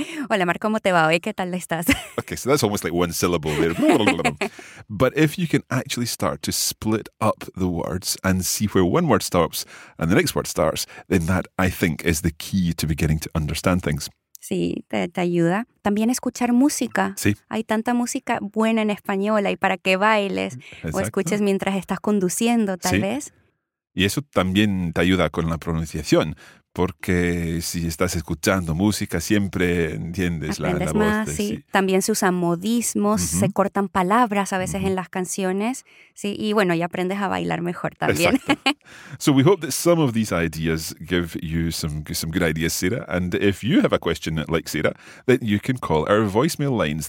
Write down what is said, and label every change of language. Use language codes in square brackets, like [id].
[es] Hola, Mar, ¿cómo te va hoy? ¿Qué tal estás? [en] Okay, so that's almost like one syllable there. But if you can actually start to split up the words and see where one word stops and the next word starts, then that, I think, is the key to beginning to understand things. [es] Sí, te ayuda. También escuchar música. Sí. Hay tanta música buena en español, hay para que bailes. Exacto. O escuches mientras estás conduciendo, tal sí. vez. Y eso también te ayuda con la pronunciación, porque si estás escuchando música siempre entiendes aprendes la más, voz. De, sí. También se usan modismos, uh-huh. Se cortan palabras a veces uh-huh. En las canciones. Sí. Y bueno, ya aprendes a bailar mejor también. [en] So we hope that some of these ideas give you some good ideas, Sarah. And if you have a question like Sarah, then you can call our voicemail lines.